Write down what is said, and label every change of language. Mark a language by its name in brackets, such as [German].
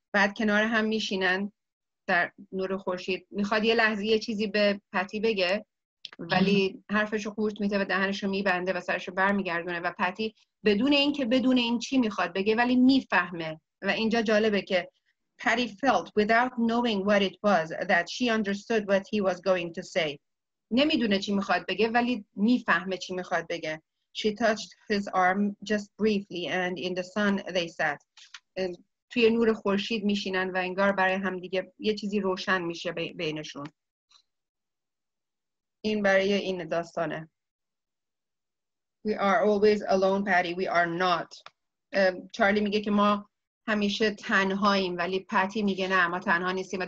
[Persian] بعد کنار هم میشینن در نور خورشید، میخواد یه لحظه یه چیزی به پتی بگه، ولی حرفشو خورت میده و دهنشو میبنده و سرشو برمیگردونه، و پتی بدون این که بدون این چی میخواد بگه، ولی میفهمه. و اینجا جالبه که پتی [English] felt without knowing what it was that she understood what he was going to say. [Persian] نمیدونه چی میخواد بگه، ولی میفهمه چی میخواد بگه. [English] She touched his arm just briefly and in the sun they sat. [Persian] توی نور خورشید میشینن و انگار برای هم دیگه یه چیزی روشن میشه بینشون. این برای این داستانه. [English] We are always alone, Patty. We are not. [Persian] چارلی میگه که ما همیشه تنهاییم، ولی پتی میگه نه، ما تنها نیستیم.